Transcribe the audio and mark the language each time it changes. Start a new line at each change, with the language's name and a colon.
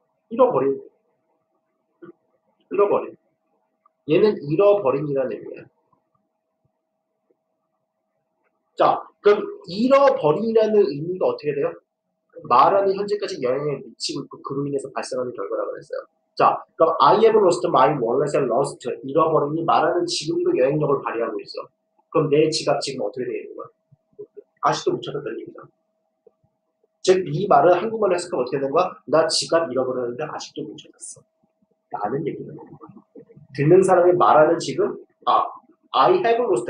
Korean: 잃어버린. 잃어버린. 얘는 잃어버린이라는 의미야. 자, 그럼 잃어버린이라는 의미가 어떻게 돼요? 말하는 현재까지 영향을 미치고 있고 그로 인해서 발생하는 결과라고 그랬어요. 자, 그럼
English: I have lost my wallet and lost.
Korean: 잃어버린이 말하는 지금도 영향력을 발휘하고 있어. 그럼 내 지갑 지금 어떻게 되어 있는 거야? 아직도 못 찾았다는 얘기다. 즉, 이 말은 한국말로 해석하면 어떻게 되는 거야? 나 지갑 잃어버렸는데 아직도 못 찾았어. 라는 얘기다. 듣는 사람이 말하는 지금, 아,
English: I have lost.